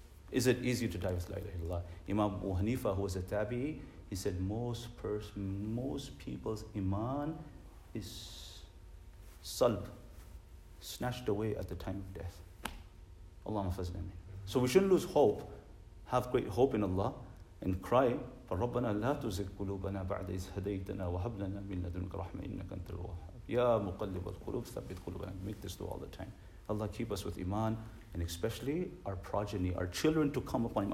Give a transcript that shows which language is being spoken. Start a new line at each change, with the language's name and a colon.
English: Is it easy to die with La ilaha illallah? Imam Abu Hanifa, who was a tabi'i, he said most people's iman is salb, snatched away at the time of death. Allahumma fazlna min. So we shouldn't lose hope. Have great hope in Allah and cry,
Arabic: فَرَبَّنَا لَا تُزِكْ قُلُوبَنَا بَعْدَ إِذْ هَدَيْتَنَا وَهَبْ لَنَا مِنْ لَدُنْكَ رَحْمَةً إِنَّكَ أَنْتَ الْوَهَّابُ. يَا مُقَلِّبَ الْقُلُوبِ ثَبِّتْ قُلُوبَنَا.
English: Make this dua all the time. Allah keep us with iman, and especially our progeny, our children to come upon him.